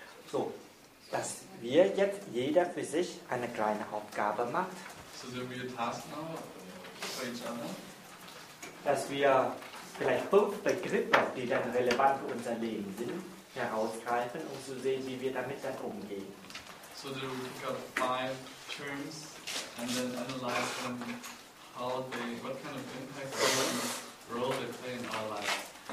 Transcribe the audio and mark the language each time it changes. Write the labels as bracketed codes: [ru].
[de] So, dass wir jetzt jeder für sich eine kleine Aufgabe macht. [en] So there will be a task now for each other. [de] Dass wir vielleicht 5 Begriffe, die dann relevant für unser Leben sind, herausgreifen, um zu sehen, wie wir damit dann umgehen. [en] So there will pick up 5 terms and then analyze them, how they, what kind of impact or role they play in our life.